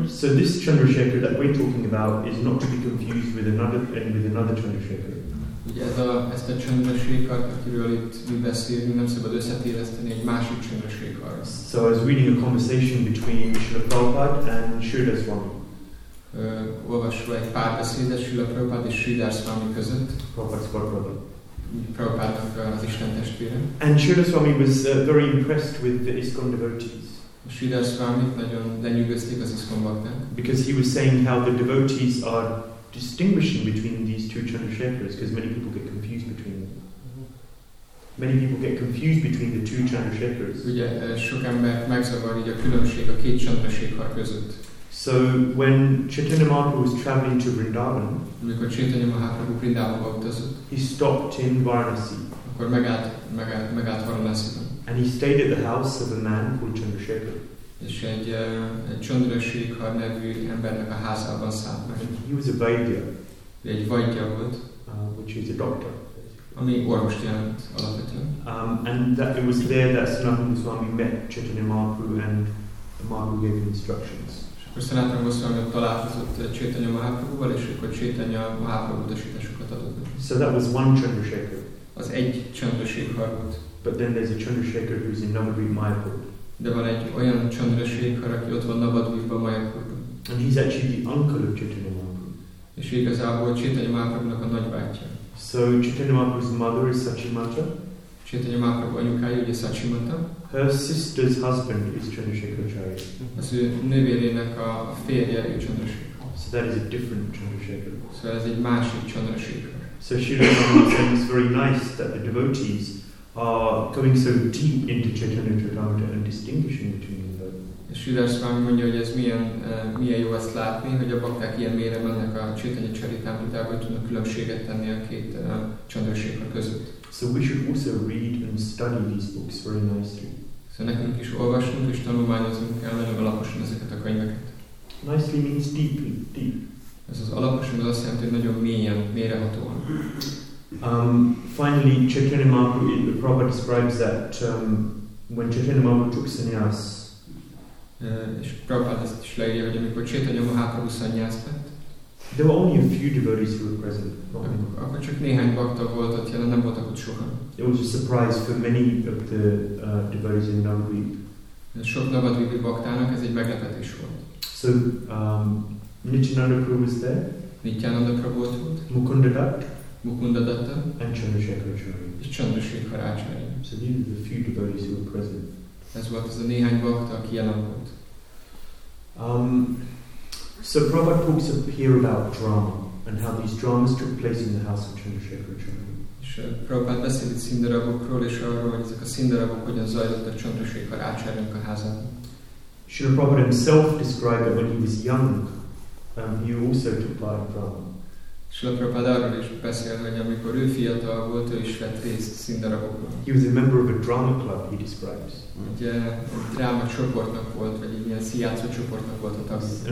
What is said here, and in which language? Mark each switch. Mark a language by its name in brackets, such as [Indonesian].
[English] So this Chandrasekhar that we're talking about is not to be confused with another Chandrasekhar. [Hungarian] Ezt a Chandrasekhar, akiről itt mi beszélünk, nem szabad összetéveszteni egy másik Chandrasekhar. [English] So I was reading a conversation between Srila Prabhupada and Sridhar Swami. [Hungarian] Olvasva egy pár beszédet Srila Prabhupada és Sridhar Swami között. [English] Prabhupada's god brother. [Hungarian] Prabhupada-nak az Isten testvére. [English] And Srila Swami was very impressed with the ISKCON devotees. [Hungarian] Sridhar Swami nagyon lenyűgözték az ISKCON bhaktáit. [English] Because he was saying how the devotees are distinguishing between these two Chandrasekhars, because many people get confused between them. Many people get confused between the two Chandrasekhars. [Hungarian] Ugye sok ember megzavar így a különbség a két Chandrasekhar között. [English] So when Chaitanya Mahaprabhu was traveling to Vrindavan, [Hungarian] amikor Chaitanya Mahaprabhu Vrindavanba utazott, [English] he stopped in Varanasi. [Hungarian] Akkor megállt Varanasiban. [English] And he stayed at the house of a man called Chandrasekhar. [Hungarian] És egy Chandrasekhar nevű embernek a házában szállt meg. [English] He was a vaidya. [Hungarian] Egy vaidya volt. [English] Which is a doctor. [Hungarian] Ami orvost jelent alapvetően. [English] And that it was there that Sanatana Goswami met Chaitanya Mahaprabhu and Mahaprabhu gave him instructions. [Hungarian] És akkor Sanatana Goswami ott találkozott Chaitanya Mahaprabhuval, és akkor Chaitanya Mahaprabhu utasításokat adott. [English] So that was one Chandrasekhar. [Hungarian] Az egy Chandrasekhar volt. [English] But then there's a Chandrasekhar who's in Navadvip Mayapur. [Hungarian] De van egy olyan Chandrasekhar, aki ott van Navadvipban, Mayapurban. [English] And he's actually the uncle of Chaitanya Mahaprabhu. [Hungarian] És igazából Chaitanya Mahaprabhunak a nagybátyja. [English] So Chaitanya Mahaprabhu's mother is Sachimata. [Hungarian] Chaitanya Mahaprabhu anyukája ugye Sachimata. [English] Her sister's husband is Chandrasekhar Acharya. [Hungarian] Az ő nővérének a férje ő Chandrasekhar. [English] So that is a different Chandrasekhar. [Hungarian] So ez egy másik Chandrasekhar. [English] So Srila Prabhupada said it's very nice that the devotees are going so deep into Chaitanya Charitamrita and distinguishing between them. [Hungarian] És Sridhar Swami mondja, hogy ez milyen, milyen jó ezt látni, hogy a bakták ilyen mélyre mennek a Chaitanya Charitamritába, hogy tudnak különbséget tenni a két csandőrségek között. [English] So we should also read and study these books very nicely. [Hungarian] Szóval nekünk is olvasnunk és tanulmányozunk kell nagyon alaposan ezeket a könyveket. [English] Nicely means deeply, deep. [Hungarian] Ez az alaposan az azt jelenti, hogy nagyon mélyen, mélyrehatóan. [English] Finally, Chaitanya Mahaprabhu, the Prabhupada describes that when Chaitanya Mahaprabhu took sannyas, [Hungarian] és Prabhupada ezt is leírja, hogy amikor Chaitanya Mahaprabhu sannyas lett, [English] there were only a few devotees who were present. [Hungarian] Akkor csak néhány bakta volt ott jelen, nem voltak ott sokan. [English] It was a surprise for many of the devotees in Navadvip. [Hungarian] Sok Navadvipi baktának ez egy meglepetés volt. [English] So, Nityananda Prabhu was there. [Hungarian] Nityananda Prabhu ott volt. [English] Mukunda Dutt. [Hungarian] Mukunda Dutta. [English] And Chandrasekhar Acharya. [Hungarian] És Chandrasekhar Acharya. [English] So these were the few devotees who were present. [Hungarian] Ez volt az a néhány bakta, aki jelen volt. [English] So Prabhupada talks here about drama and how these dramas took place in the house of Chandrasekhar Acharya. [Hungarian] És Prabhupada beszélt itt színdarabokról és arról, hogy ezek a színdarabok hogyan zajlottak Chandrasekhar Acharyának a házán. [English] Srila Prabhupada himself described that when he was young, he also took part in drama. [Hungarian] Srila Prabhupada arról is beszél, hogy amikor ő fiatal volt, ő is vett részt színdarabokban. [English] He was a member of a drama club, he describes. [Hungarian] Egy dráma csoportnak volt, vagy egy ilyen színjátszó csoportnak volt a tagja.